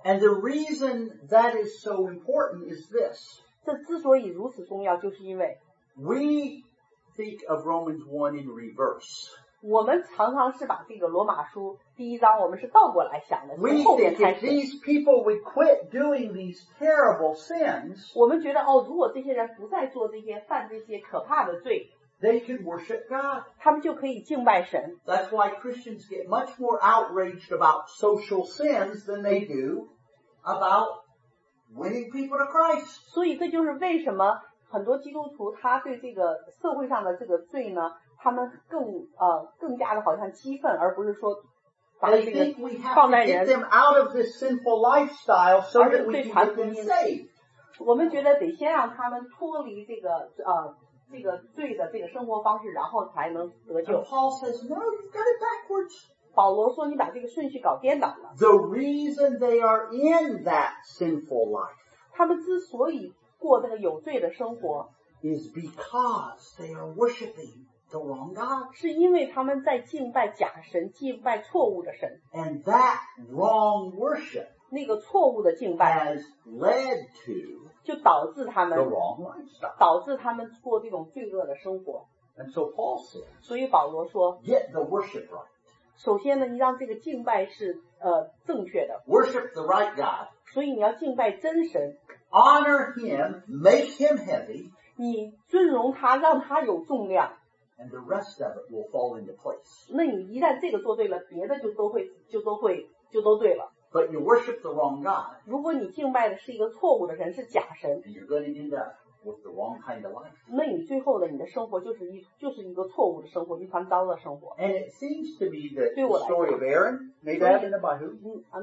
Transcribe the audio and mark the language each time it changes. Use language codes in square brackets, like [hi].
[en] And the reason that is so important is this. [zh] 这之所以如此重要，就是因为 [en] we think of Romans 1 in reverse. [zh] 我们常常是把这个罗马书第一章我们是倒过来想的，从后面开始。 [en] We think if these people would quit doing these terrible sins. [zh] 我们觉得哦，如果这些人不再做这些犯这些可怕的罪。 [en] They can worship God. [zh] 他们就可以敬拜神。 [en] That's why Christians get much more outraged about social sins than they do about winning people to Christ. [zh] 所以这就是为什么很多基督徒他对这个社会上的这个罪呢，他们更加的好像激愤，而不是说把这个放在人。 [en] They think we have to get them out of this sinful lifestyle so that we can get them saved. [zh] 我们觉得得先让他们脱离这个这个罪的这个生活方式，然后才能得救。 [en] And Paul says, "No, you've got it backwards." [zh] 保罗说你把这个顺序搞颠倒了。 [en] The reason they are in that sinful life. [zh] 他们之所以过那个有罪的生活。 [en] Is because they are worshiping the wrong God. [zh] 是因为他们在敬拜假神，敬拜错误的神。 [en] And that wrong worship. [zh] 那个错误的敬拜。 [en] Has led to. [zh] 就导致他们。 [en] The wrong lifestyle. [zh] 导致他们过这种罪恶的生活。 [en] And so Paul said. [zh] 所以保罗说。 [en] Get the worship right. [zh] 首先呢，你让这个敬拜是正确的。 [en] Worship the right God. [zh] 所以你要敬拜真神。 [en] Honor him, make him heavy. [zh] 你尊荣他，让他有重量。 [en] And the rest of it will fall into place. [zh] 那你一旦这个做对了，别的就都对了。 [en] But you worship the wrong God. [zh] 如果你敬拜的是一个错误的神，是假神。 [en] And you're going to end up with the wrong kind of life. [zh] 那你最后的你的生活就是一个错误的生活，一团糟的生活。 [en] And it seems to be the story of Aaron, Nadab and Abihu.